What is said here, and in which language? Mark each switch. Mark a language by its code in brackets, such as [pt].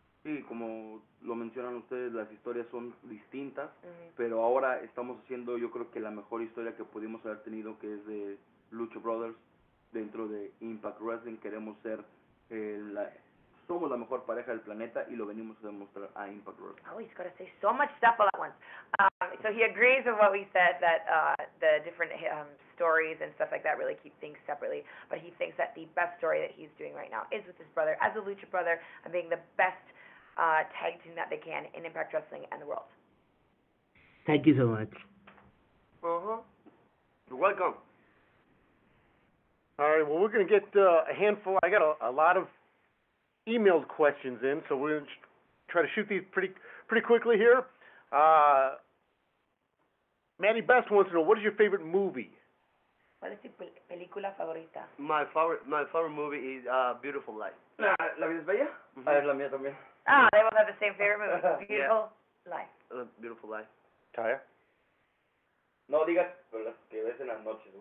[es] Y como lo mencionan ustedes, las historias son distintas, pero ahora estamos haciendo, yo creo que la mejor historia que pudimos haber tenido, que es de Lucha Brothers dentro de Impact Wrestling. Queremos ser, somos la mejor pareja del planeta y lo venimos a demostrar a Impact Wrestling. [en] Oh, he's got to say so much stuff all at once. So he agrees with what we said, that the different stories and stuff like that really keep things separately. But he thinks that the best story that he's doing right now is with his brother, as a Lucha brother, and being the best tag team that they can in Impact Wrestling and the world. Thank you so much. Uh-huh. You're welcome. All right, well, we're going to get a handful. I got a lot of emailed questions in, so we're going to try to shoot these pretty quickly here. Maddie Best wants to know, what is your favorite movie? [es] ¿Cuál es tu película favorita? [en] My favorite movie is Beautiful Life. [es] La vida es bella. Mm-hmm. La mía también. [en] Ah, they both have the same favorite movie. Beautiful Life. Taya. [es] No digas, pero las que ves en las noches.